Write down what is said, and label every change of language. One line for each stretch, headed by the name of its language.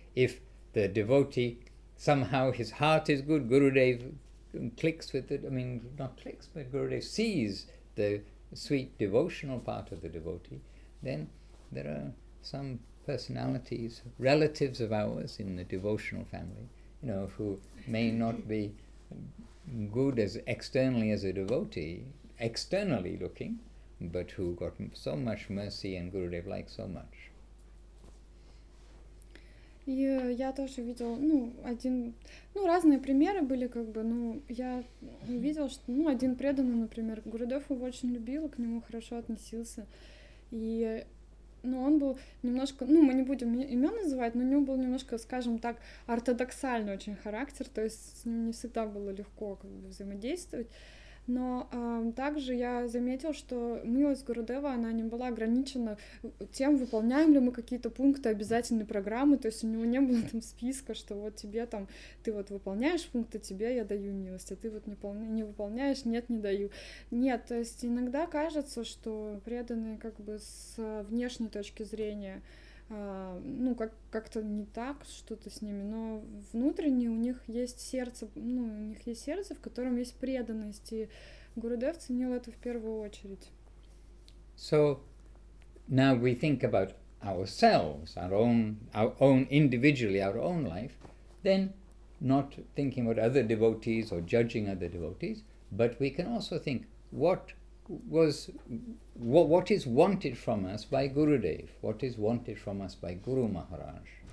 English: If the devotee, somehow his heart is good, Gurudev clicks with it, I mean, not clicks, but Gurudev sees the sweet devotional part of the devotee, then there are some personalities, relatives of ours in the devotional family, you know, who may not be good as externally as a devotee, externally looking, but who got so much mercy and Gurudev like so much.
Russian: И я тоже видела, ну, один, ну, разные примеры были, как бы, ну, я увидела, что, ну, один преданный, например, Гурудев его очень любил, к нему хорошо относился, и ну, он был немножко, ну, мы не будем имен называть, но у него был немножко, скажем так, ортодоксальный очень характер, то есть с ним не всегда было легко как бы взаимодействовать. Но также я заметила, что милость Гурудева, она не была ограничена тем, выполняем ли мы какие-то пункты обязательной программы, то есть у него не было там списка, что вот тебе там, ты вот выполняешь пункты, тебе я даю милость, а ты вот не выполняешь, нет, не даю. Нет, то есть иногда кажется, что преданные как бы с внешней точки зрения, ну, как-то не так что-то с ними, но внутренне у них есть сердце, ну, у них есть сердце, в котором есть преданность, и Гурудев ценил это в первую очередь.
English: So, now we think about ourselves, our own individually, our own life, then not thinking about other devotees or judging other devotees, but we can also think, what was what is wanted from us by Gurudev, what is wanted from us by Guru Maharaj.